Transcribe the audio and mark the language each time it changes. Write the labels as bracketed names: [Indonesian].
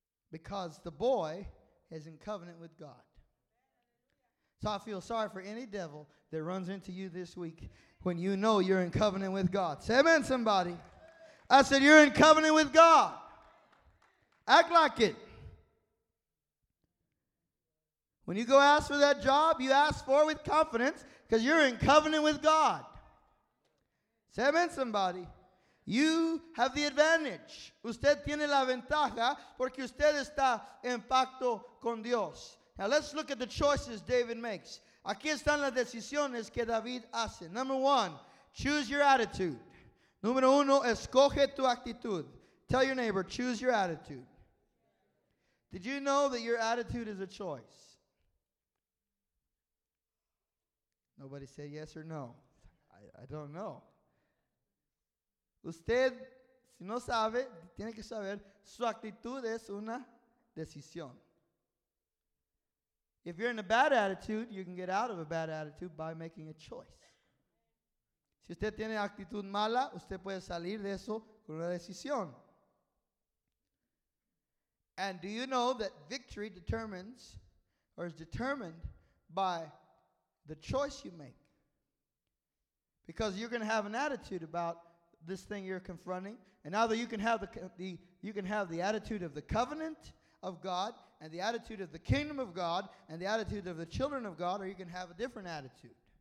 [English] Because the boy is in covenant with God. So I feel sorry for any devil that runs into you this week when you know you're in covenant with God. Say amen, somebody. I said, you're in covenant with God. Act like it. When you go ask for that job, you ask for it with confidence because you're in covenant with God. Say amen, somebody. You have the advantage. [Spanish] Usted tiene la ventaja porque usted está en pacto con Dios. [English] Now let's look at the choices David makes. [Spanish] Aquí están las decisiones que David hace. [English] Number one, choose your attitude. [Spanish] Número uno, escoge tu actitud. [English] Tell your neighbor, choose your attitude. Did you know that your attitude is a choice? Nobody said yes or no. I don't know. [Spanish] Usted, si no sabe, tiene que saber, su actitud es una decisión. [English] If you're in a bad attitude, you can get out of a bad attitude by making a choice. [Spanish] Si usted tiene actitud mala, usted puede salir de eso con una decisión. [English] And do you know that victory determines or is determined by the choice you make? Because you're going to have an attitude about this thing you're confronting. And now that you can have the attitude of the covenant of God and the attitude of the kingdom of God and the attitude of the children of God, or you can have a different attitude.